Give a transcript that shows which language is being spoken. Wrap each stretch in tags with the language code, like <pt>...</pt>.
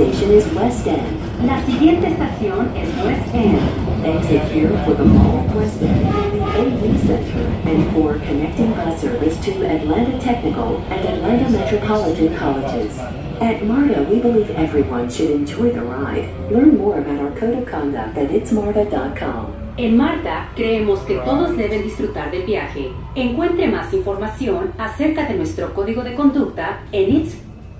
<en>Is West End.</en> <es>La siguiente estación es West End.</es> <en>Exit here for the Mall of West End, the AV Center, and for connecting bus service to Atlanta Technical and Atlanta Metropolitan Colleges. At MARTA, we believe everyone should enjoy the ride. Learn more about our code of conduct at itsmarta.com.</en> <es>En MARTA, creemos que todos deben disfrutar del viaje. Encuentre más información acerca de nuestro código de conducta en itsmarta.com.</es>